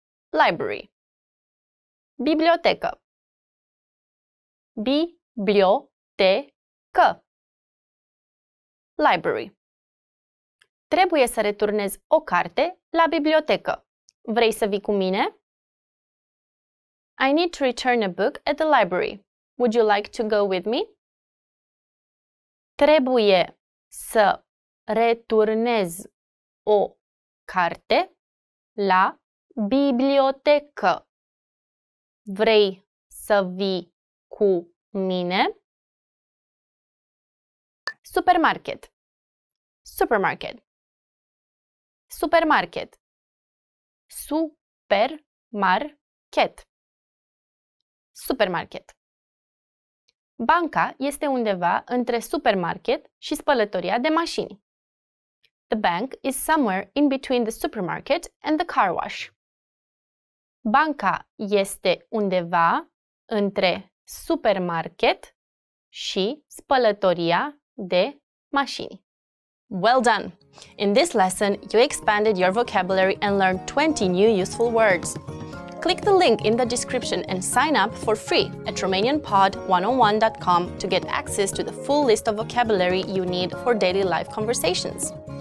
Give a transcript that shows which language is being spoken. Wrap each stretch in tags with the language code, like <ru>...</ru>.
<en>Library.</en> <ro>Bibliotecă. Bibliotecă.</ro> <en>Library.</en> <ro>Trebuie să returnez o carte la bibliotecă. Vrei să vii cu mine?</ro> <en>I need to return a book at the library. Would you like to go with me?</en> <ro>Trebuie să returnez o carte la bibliotecă. Vrei să vii cu mine? Supermarket. Supermarket. Supermarket. Supermarket. Supermarket. Banca este undeva între supermarket și spălătoria de mașini.</ro> <en>The bank is somewhere in between the supermarket and the car wash.</en> <ro>Banca este undeva între supermarket și spălătoria de mașini.</ro> <en>Well done! In this lesson, you expanded your vocabulary and learned 20 new useful words. Click the link in the description and sign up for free at RomanianPod101.com to get access to the full list of vocabulary you need for daily life conversations.</en>